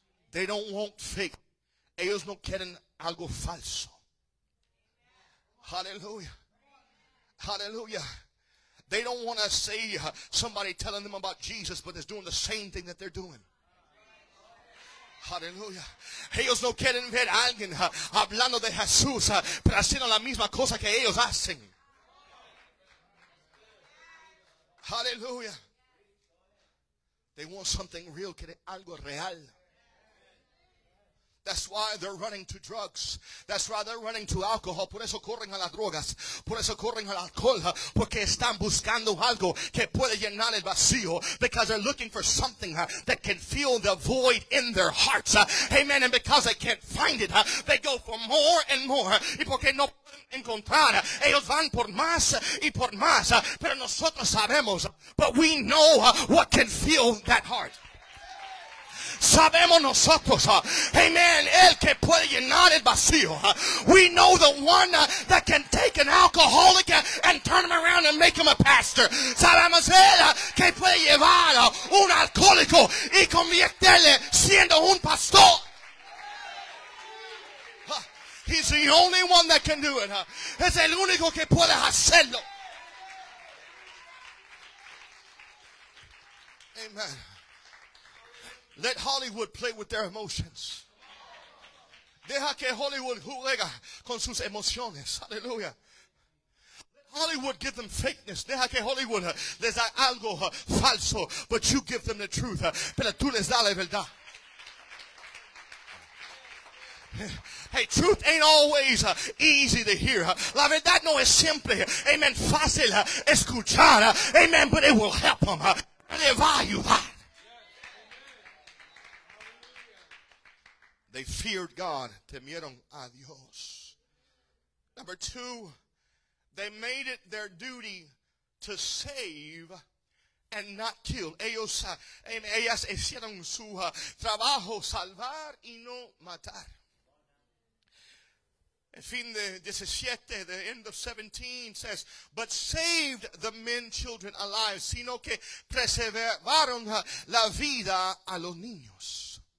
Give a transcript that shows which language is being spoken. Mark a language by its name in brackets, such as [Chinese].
[English] They don't want fake. [Spanish] Ellos no quieren algo falso. [English] Hallelujah. Hallelujah. They don't want to see somebody telling them about Jesus, but is doing the same thing that they're doing. Hallelujah. [Spanish] Ellos no quieren ver a alguien hablando de Jesús, pero haciendo la misma cosa que ellos hacen. [English] Hallelujah. They want something real, [Spanish] quieren algo real. [English] That's why they're running to drugs. That's why they're running to alcohol. [Spanish] Por eso corren a las drogas. Por eso corren al alcohol. Porque están buscando algo que puede llenar el vacío. [English] Because they're looking for something that can fill the void in their hearts. Amen. And because they can't find it, they go for more and more. [Spanish] Y porque no pueden encontrar, ellos van por más y por más. Pero nosotros sabemos. [English] But we know what can fill that heart. [Spanish] Sabemos nosotros, amen, el que puede llenar el vacío. [English] We know the one that can take an alcoholic and turn him around and make him a pastor. [Spanish] Sabemos el que puede llevar un alcohólico y convertirle siendo un pastor. [English] He's the only one that can do it. [Spanish] Es el único que puede hacerlo. [English] Amen. Let Hollywood play with their emotions. [Spanish] Deja que Hollywood juega con sus emociones. Hallelujah. [English] Hollywood give them fakeness. [Spanish] Deja que Hollywood les da algo falso. [English] But you give them the truth. [Spanish] Pero tú les da la verdad. [English] Hey, truth ain't always easy to hear. [Spanish] La verdad no es siempre, amen, fácil escuchar. [English] Amen, but it will help them. Revive you. They feared God. [Spanish] Temieron a Dios. [English] Number two, they made it their duty to save and not kill. [Spanish] Ellos, ellas hicieron su trabajo salvar y no matar. El fin de 17, [English] the end of 17 says, but saved the men children alive, [Spanish] sino que preservaron la vida a los niños.